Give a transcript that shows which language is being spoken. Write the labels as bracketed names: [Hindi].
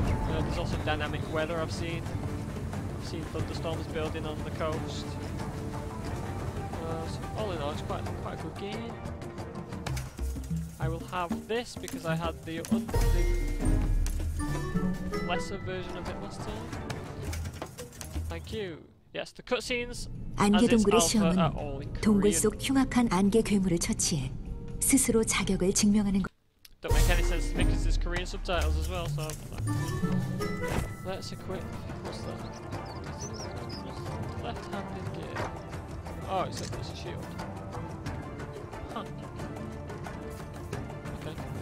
[English] There's also dynamic weather I've seen. I've seen thunderstorms building on the coast. So all in all, it's quite a good game. I will have this because I had the lesser version of it last time. Thank you. Yes, the cutscenes. [Korean] 안개 동굴의 시험은 동굴 속 흉악한 안개 괴물을 처치해 스스로 자격을 증명하는 것. [English] Don't make any sense to me because there's Korean subtitles as well, so let's equip. What's that? Left handed gear. Oh, it's like this shield. Huh. Okay.